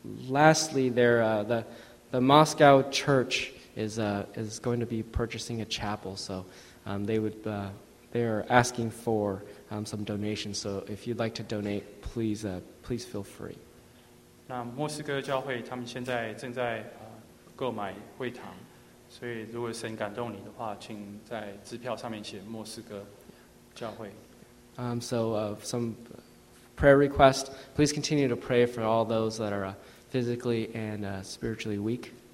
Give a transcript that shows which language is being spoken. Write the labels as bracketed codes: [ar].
[en] Lastly, there the Moscow Church is going to be purchasing a chapel, so they would they are asking for some donations. So if you'd like to donate, please please feel free. [zh] 那莫斯科教会他们现在正在购买会堂。所以如果神感动你的话，请在支票上面写莫斯科教会。 [en] Some prayer request. Please continue to pray for all those that are physically and spiritually weak.